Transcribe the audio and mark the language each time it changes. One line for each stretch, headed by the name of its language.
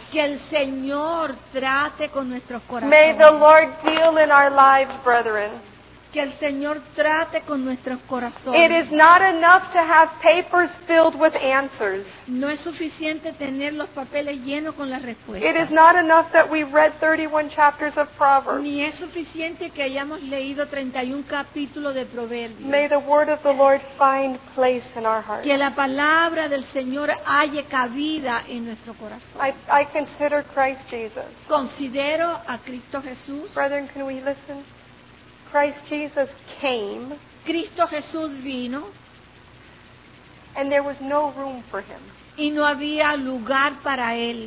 Spanish: Que el Señor trate con nuestros corazones.
English: May the Lord deal in our lives, brethren.
Spanish: Que el Señor trate con nuestros corazones.
English: It is not enough to have papers filled with answers.
Spanish: No es suficiente tener los papeles llenos con las respuestas.
English: It is not enough that we read 31 chapters of Proverbs.
Spanish: Ni es suficiente que hayamos leído 31 capítulos de Proverbios.
English: May the word of the Lord find place in our hearts.
Spanish: Que la palabra del Señor haya cabida en nuestro corazón.
English: I consider Christ Jesus.
Spanish: Considero a Cristo Jesús.
English: Brethren, can we listen? Christ Jesus came.
Spanish: Cristo Jesús vino.
English: And there was no room for him.
Spanish: Y no había lugar para él.